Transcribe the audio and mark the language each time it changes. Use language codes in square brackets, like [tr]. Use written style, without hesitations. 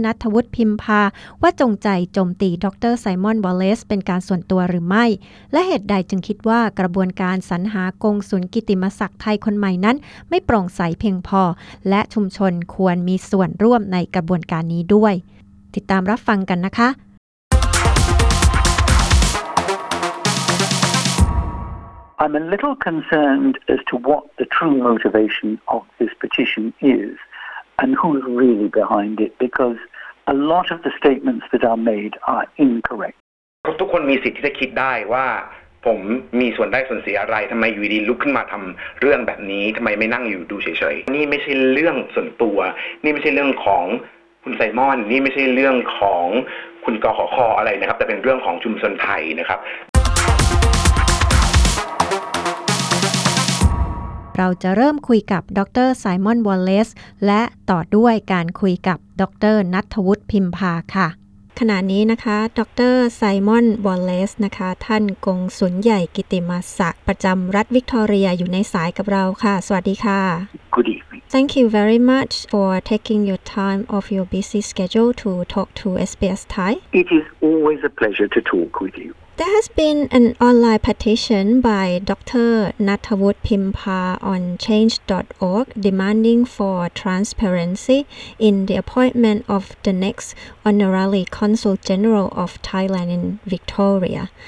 [th] ณัฐวุฒิพิมพาว่าจงใจโจมตีดร.ไซมอนวอลเลซเป็นการส่วนตัวหรือไม่และเหตุใดจึงคิดว่ากระบวนการสรรหากงสุลกิติมศักดิ์ไทยคนใหม่นั้นไม่โปร่งใสเพียงพอและชุมชนควรมีส่วนร่วมในกระบวนการนี้ด้วยติดตามรับฟังกันนะคะ [en] I'm a little concerned as to what the true motivation of this petition is and who's really behind it because a lot of the statements that are made are incorrect. [th] ทุกคนมีสิทธิ์ที่จะคิดได้ว่าผมมีส่วนได้ส่วนเสียอะไรทำไมอยู่ดีลุกขึ้นมาทำเรื่องแบบนี้ทำไมไม่นั่งอยู่ดูเฉยๆนี่ไม่ใช่เรื่องส่วนตัวนี่ไม่ใช่เรื่องของคุณไซมอนนี่ไม่ใช่เรื่องของคุณกขคอะไรนะครับแต่เป็นเรื่องของชุมชนไทยนะครับ เราจะเริ่มคุยกับดร. ไซมอนวอลเลซและต่อด้วยการคุยกับดร. ณัฐวุฒิพิมพาค่ะขณะนี้นะคะดร. ไซมอนวอลเลซนะคะท่านกงสุลใหญ่กิติมศักดิ์ประจำรัฐวิกตอเรียอยู่ในสายกับเราค่ะสวัสดีค่ะ [en] Good evening Thank you very much for taking your time off your busy schedule to talk to SBS Thai It is always a pleasure to talk with you There has been an online petition by Dr. Natavut Pimpa on change.org demanding for transparency in the appointment of the next honorary consul general of Thailand in Victoria.